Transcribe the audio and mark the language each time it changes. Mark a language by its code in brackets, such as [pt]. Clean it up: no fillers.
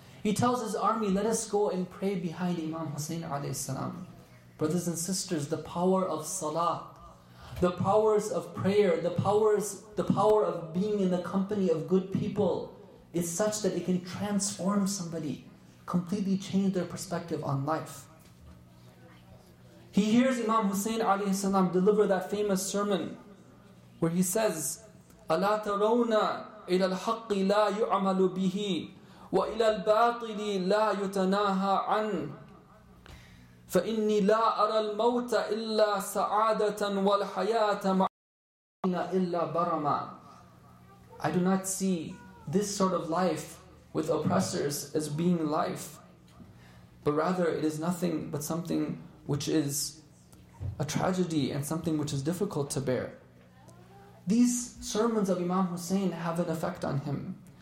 [en] He tells his army, "Let us go and pray behind Imam Hussein alayhi salam." Brothers and sisters, the power of salah, the powers of prayer, the power of being in the company of good people is such that it can transform somebody, completely change their perspective on life. He hears Imam Hussein alayhi salam deliver that famous sermon where he says, [ar] "Ala tarawna إلى الحق لا يعمل به وإلى الباطل لا يتناهى عنه فإني لا أرى الموت إلا سعادة والحياة مع إلا برما." [en] I do not see this sort of life with oppressors as being life, but rather it is nothing but something which is a tragedy and something which is difficult to bear. These sermons of Imam Hussein have an effect on him.